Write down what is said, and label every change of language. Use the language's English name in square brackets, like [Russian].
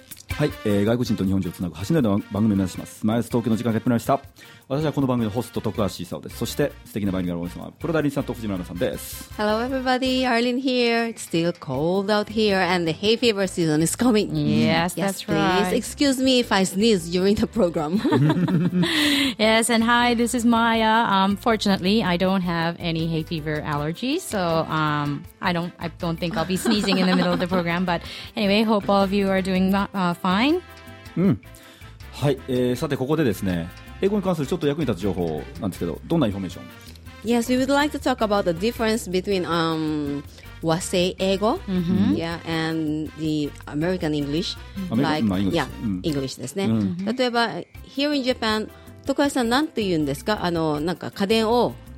[Japanese] はい、外国人と日本人をつなぐ橋の上の番組を目指します。 My Eyes Tokyo の時間がやってまいりました。私はこの番組のホスト徳橋伊佐です。そして素敵なバイリンガルの皆様、プロダリンさんと藤村さんです。 [English] Hello everybody, Arlene here. It's still cold out here and the hay fever season is coming. Yes, that's right. Yes, please excuse me if I sneeze during the program. Yes, and hi, this is Maya. Fortunately, I don't have any hay fever allergies, so I don't think I'll be sneezing in the middle of the program. But anyway, hope all of you are doing fine. [Japanese] はい、さてここでですね、英語に関するちょっと役に立つ情報なんですけど、どんなインフォメーション？ [English] Yes, we would like to talk about the difference between Wasei 英語、mm-hmm. yeah, and the American English. English [Japanese] ですね。 [English] Mm-hmm. [Japanese] 例えば、 [English] here in Japan、 [Japanese] 徳橋さん何て言うんですか？なんか家電を